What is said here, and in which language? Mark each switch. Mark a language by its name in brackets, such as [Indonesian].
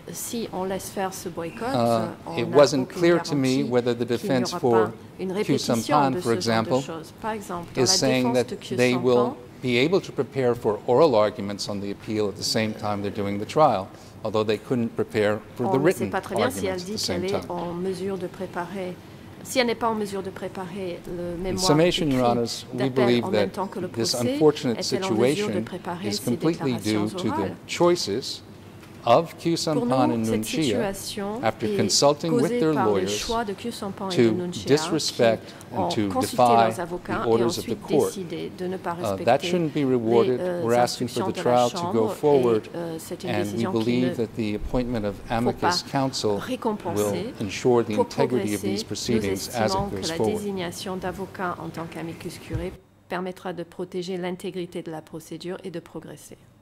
[English] It wasn't clear to me whether the defense for Q. Sampan, for example, is saying that they will be able to prepare for oral arguments on the appeal at the same time they're doing the trial. Although they couldn't prepare for the written arguments [French] si elle dit [English] at the same time. [French] En mesure de préparer, si elle n'est pas en mesure de préparer le mémoire [English] in summation, Your Honors, we believe that this unfortunate situation is completely due to the choices of Q. Sampan and Nunchia after consulting with their lawyers to disrespect and to defy the orders of the court. That shouldn't be rewarded. We're asking for the trial to go forward, and we believe that the appointment of amicus counsel will ensure the integrity of these proceedings as it goes forward. [French] Permettra de protéger l'intégrité de la procédure et de progresser.